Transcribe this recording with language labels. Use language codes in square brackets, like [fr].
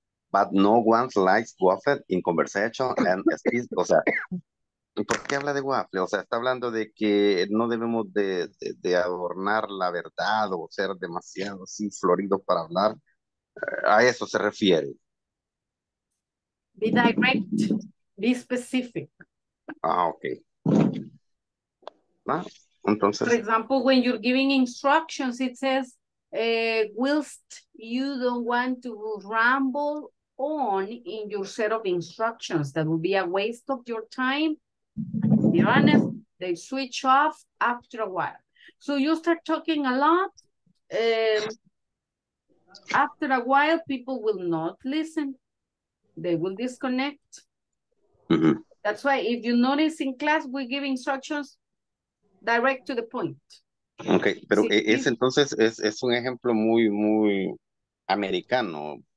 [en] But no one likes waffle in conversation and speech. [es] O sea, ¿por qué habla de waffle? O sea, está hablando de que no debemos de adornar la verdad o ser demasiado así florido para hablar. A eso se refiere. [en] Be direct, be specific. [es] Ah, okay. Ah, entonces. [en] For example, when you're giving instructions, it says, whilst you don't want to ramble on in your set of instructions, that would be a waste of your time. Be honest, they switch off after a while. So you start talking a lot. After a while, people will not listen. They will disconnect. Mm-hmm. That's why if you notice in class, we give instructions direct to the point. [es] Okay, pero sí, es, entonces es un ejemplo muy, muy americano.